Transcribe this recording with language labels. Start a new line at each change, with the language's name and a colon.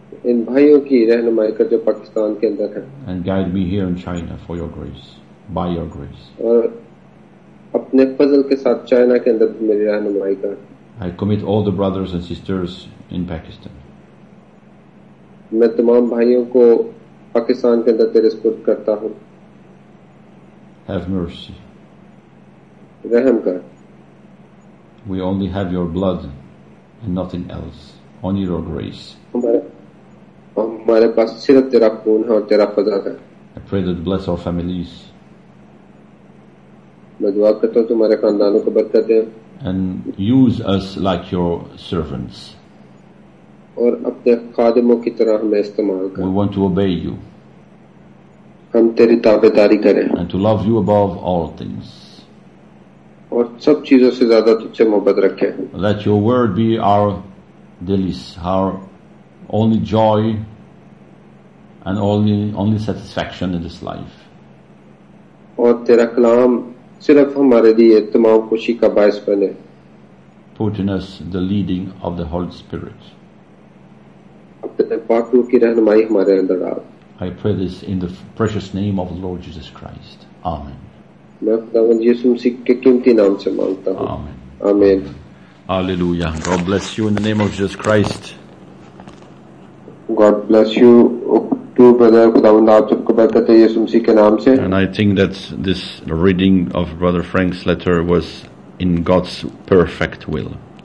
Hindi: इन भाइयों की रहनुमाई कर जो पाकिस्तान के अंदर हैं.
English: And guide me here in China for your grace, by your grace.
Hindi: और अपने फजल के साथ चाइना के अंदर मेरी रहनुमाई कर.
English: I commit all the brothers and sisters in Pakistan.
Hindi: मैं तमाम भाइयों को पाकिस्तान के अंदर तेरे सुपुर्द करता हूँ.
English: Have mercy.
Hindi: रहम कर.
English: We only have your blood and nothing else. Only your grace.
Hindi: हमारे पास सिर्फ तेरा खून है और तेरा फजल है.
English: I pray that bless our families.
Hindi: मैं दुआ करता हूँ तुम्हारे खानदानों को बरकत दे.
English: And use us like your servants.
Hindi: और अपने खादिमों की तरह हमें इस्तेमाल कर.
English: We want to obey you.
Hindi: हम तेरी ताबेदारी करें.
English: And to love you above all things.
Hindi: और सब चीजों से ज्यादा तुझसे मोहब्बत रखें.
English: Let your word be our delice, our only joy and only satisfaction in this life.
Hindi: और तेरा कलाम सिर्फ हमारे लिए तमाम खुशी का बायस बने.
English: Put in us the leading of the Holy Spirit.
Hindi: अपने पाक रूह की रहनुमाई हमारे अंदर डाल.
English: I pray this in the precious name of the Lord Jesus Christ. Amen. Amen. Amen. Amen. Hallelujah. God bless you in the name of Jesus Christ. God bless you. And I think that this reading of Brother Frank's letter was in God's perfect will.